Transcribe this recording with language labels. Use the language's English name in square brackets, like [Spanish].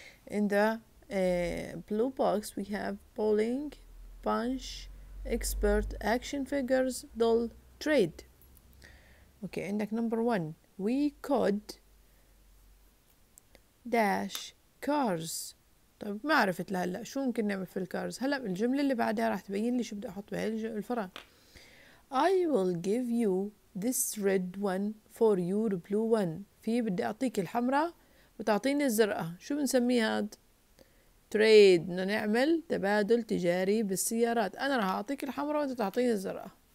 [English] In the blue box we have bowling, punch, expert, action figures, doll, trade. [Arabic] أوكي، عندك [English] number one: we could dash cars. [Arabic] طيب ما عرفت لهلا شو ممكن نعمل في الكارز. هلا بالجمله اللي بعدها راح تبين لي شو بدي احط بهي الفراغ. [English] I will give you this red one for your blue one. [Arabic] في بدي اعطيك الحمراء وتعطيني الزرقاء. شو بنسميها هاد؟ تريد، انه نعمل تبادل تجاري بالسيارات. انا راح اعطيك الحمراء وانت تعطيني الزرقاء.